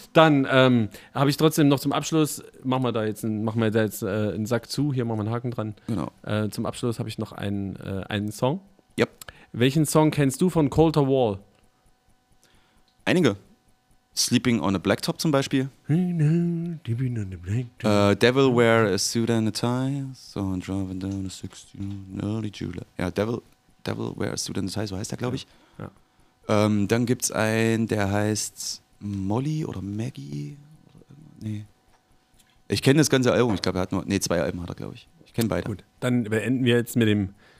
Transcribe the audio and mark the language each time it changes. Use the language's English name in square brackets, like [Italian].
[German] Dann habe ich trotzdem noch zum Abschluss, machen wir da jetzt einen Sack zu, hier machen wir einen Haken dran. Genau. Zum Abschluss habe ich noch einen Song. Yep. Welchen Song kennst du von Colter Wall? Einige. Sleeping on a Blacktop zum Beispiel. [English] Deeping on a Blacktop. Devil Wear a Suit and a Tie. So I'm driving down a 16 early July. [German] Ja, Devil Wear a Suit and a Tie, so heißt der, glaube ich. Ja. Dann gibt es einen, der heißt Molly oder Maggie. Nee. Ich kenne das ganze Album. Ich glaube, er hat nur. Nee, zwei Alben hat er, glaube ich. Ich kenne beide. Gut, dann beenden wir jetzt mit dem.